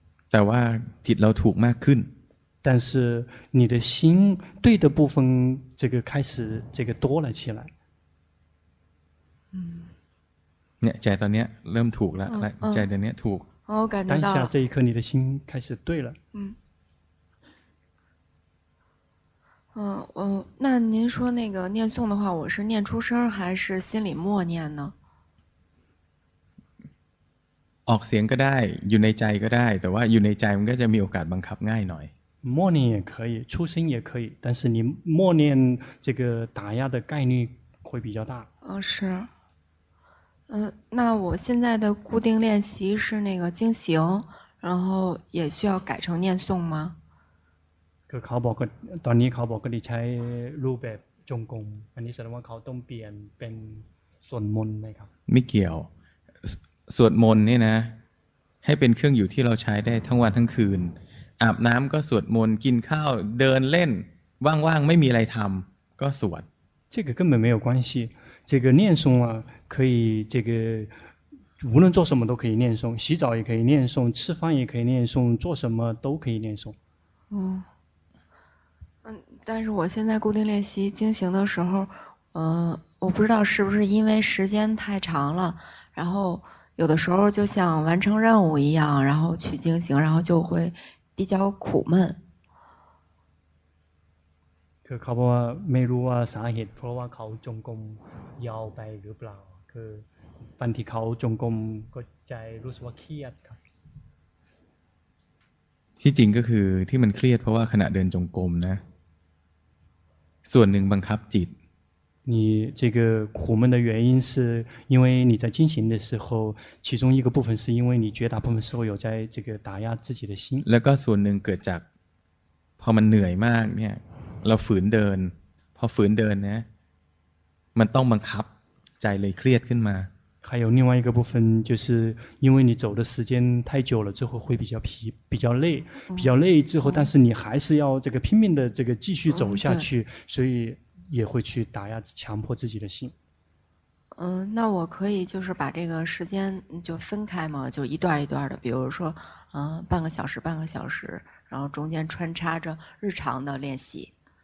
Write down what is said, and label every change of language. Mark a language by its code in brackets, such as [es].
[th] แต่ว่าจิตเราถูกมากขึ้น [zh] 但是你的心对的部分这个开始这个多了起来 [th] เนี่ยใจตอนนี้เริ่มถูกแล้วใจตอนนี้ถูก [zh] 哦，感觉到了。当下这一刻，你的心开始对了。嗯。嗯，那您说那个念诵的话，我是念出声还是心里默念呢？ [th] ออกเสียงก็ได้อยู่ในใจก็ได้แต่ว่าอยู่ในใจมันก็จะมีโอกาสบังคับง่ายหน่อย。 [zh] 默念也可以，出声也可以，但是你默念这个打压的概率会比较大。哦，是。那我现在的固定练习是那个经行，然后也需要改成念诵吗？ [th] ก็เขาบอกก็ตอนนี้เขาบอกก็ได้ใช้รูปแบบจงกรมอันนี้แสดงว่าเขาต้องเปลี่ยนเป็นสวดมนต์ไหมครับ ไม่เกี่ยวสวดมนต์นี่นะให้เป็นเครื่องอยู่ที่เราใช้ได้ทั้งวันทั้งคืนอาบน้ำก็สวดมนต์กินข้าวเดินเล่นว่างๆไม่มีอะไรทำก็สวด [zh] 这个根本没有关系这个念诵啊可以这个无论做什么都可以念诵洗澡也可以念诵吃饭也可以念诵做什么都可以念诵但是我现在固定练习经行的时候我不知道是不是因为时间太长了然后有的时候就像完成任务一样然后去经行然后就会比较苦闷 [th] คือเขาบอกว่าไม่รู้ว่าสาเหตุเพราะว่าเขาจงกรมยาวไปหรือเปล่าคือบางทีเขาจงกรมก็ใจรู้สึกว่าเครียดครับ ที่จริงก็คือที่มันเครียดเพราะว่าขณะเดินจงกรมนะส่วนหนึ่งบังคับจิต [zh] 你这个苦闷的原因是因为你在进行的时候其中一个部分是因为你绝大部分时候有在这个打压自己的心 [th] แล้วก็ส่วนหนึ่งเกิดจากพอมันเหนื่อยมากเนี่ยเราฝืนเดินพอฝืนเดินนะมันต้องบังคับใจเลยเครียดขึ้นมา [zh] 还有另外一个部分就是因为你走的时间太久了之后会比较疲比较累比较累之后但是你还是要这个拼命的这个继续走下去所以也会去打压强迫自己的心那我可以就是把这个时间就分开嘛就一段一段的比如说半个小时半个小时然后中间穿插着日常的练习